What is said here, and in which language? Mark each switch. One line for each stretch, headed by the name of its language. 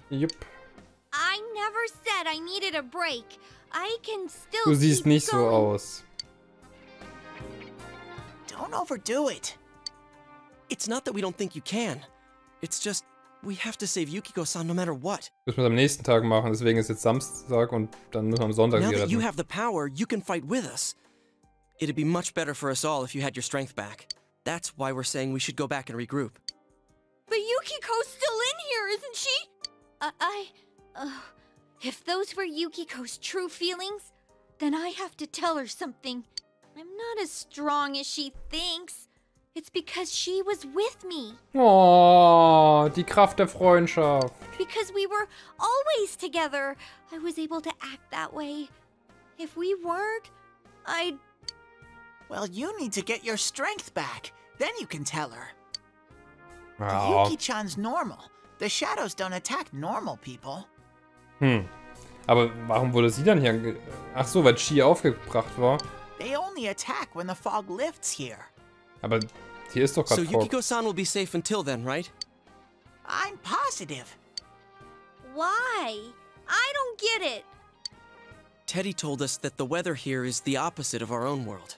English: Yep. I never said I needed a break. I can still
German: Du siehst nicht so aus.
English: Don't overdo it. It's not that we don't think you can. It's just we have to save Yukiko-san no matter what.
German: Müssen wir am nächsten Tag machen, deswegen ist jetzt Samstag und dann müssen wir am Sonntag retten.
English: Now that you have the power, you can fight with us. It'd be much better for us all if you had your strength back. That's why we're saying we should go back and regroup. But Yukiko's still in here, isn't she? If those were Yukiko's true feelings, then I have to tell her something. I'm not as strong as she thinks. It's because she was with me.
German: Oh, die Kraft der Freundschaft.
English: Because we were always together, I was able to act that way. If we weren't, I'd... Well, you need to get your strength back. Then you can tell her. Oh. Yuki-chan's normal. The shadows don't attack normal people. Hm.
German: Aber warum wurde sie dann hier Ach so, weil Chie aufgebracht war.
English: They only attack when the fog lifts here.
German: Aber hier ist doch gerade
English: So Yukiko-san will be safe until then, right? I'm positive. Why? I don't get it. Teddy told us that the weather here is the opposite of our own world.